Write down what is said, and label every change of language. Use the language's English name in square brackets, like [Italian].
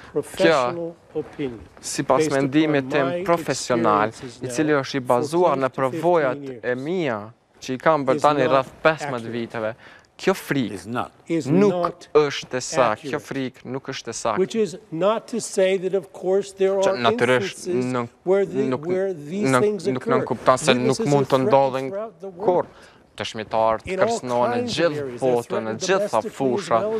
[Albanian] Kjo, si pas mendimit tim profesional, i cili është i bazuar në përvojat e mia që i kam bërë tani rreth 15 viteve, kjo frikë nuk është e saktë, kjo frikë nuk është e saktë. [English] Which is not to say that of course there are instances where these things occur. [Albanian] Nuk kupton se nuk mund të ndodhin kur dëshmitarë të kërcënohen në gjithë botën, në gjitha fusha.